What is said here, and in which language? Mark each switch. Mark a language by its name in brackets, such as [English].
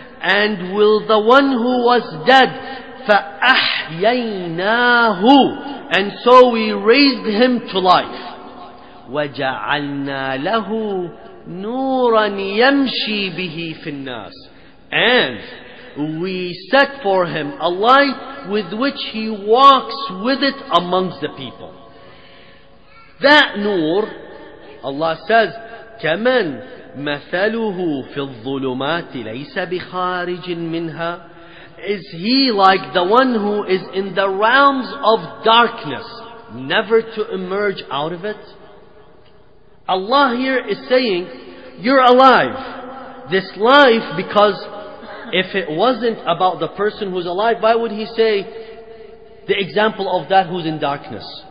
[English] And will the one who was dead, [Arabic] فَأَحْيَيْنَاهُ, [English] and so we raised him to life. [Arabic] وَجَعَلْنَا لَهُ نُورًا يَمْشِي بِهِ فِي النَّاسِ. [English] And we set for him a light with which he walks with it amongst the people. That nur, Allah says, [Arabic] كَمَنْ مَثَلُهُ فِي الظُّلُمَاتِ لَيْسَ بِخَارِجٍ مِنْهَا. [English] Is he like the one who is in the realms of darkness, never to emerge out of it? Allah here is saying, you're alive. This life, because if it wasn't about the person who's alive, why would he say the example of that who's in darkness?